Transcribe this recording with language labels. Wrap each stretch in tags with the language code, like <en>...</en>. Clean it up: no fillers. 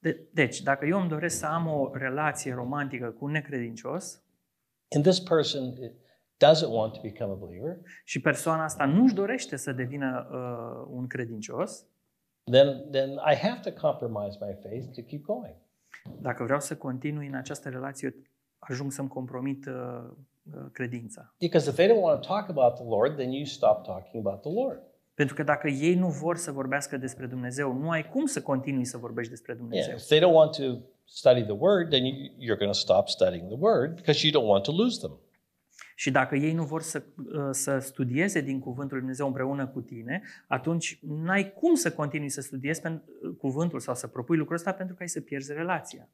<ro>deci dacă eu îmi doresc să am o relație romantică cu un necredincios,</ro> <en>and this person doesn't want to become a believer.</en> <ro>Și persoana asta nu-și dorește să devină un credincios.</ro> <en>Then I have to compromise my faith to keep going.</en> <ro>Dacă vreau să continui în această relație, ajung să-mi compromit credința.</ro> <en>Because if they don't want to talk about the Lord, then you stop talking about the Lord.</en> <ro>Pentru că dacă ei nu vor să vorbească despre Dumnezeu, nu ai cum să continui să vorbești despre Dumnezeu.</ro> <en>Yeah, if they don't want to study the word, then you're going to stop studying the word because you don't want to lose them.</en> <ro>Și dacă ei nu vor să studieze din cuvântul lui Dumnezeu împreună cu tine, atunci n-ai cum să continui să studiezi cuvântul sau să propui lucrul ăsta pentru că ai să pierzi relația.</ro>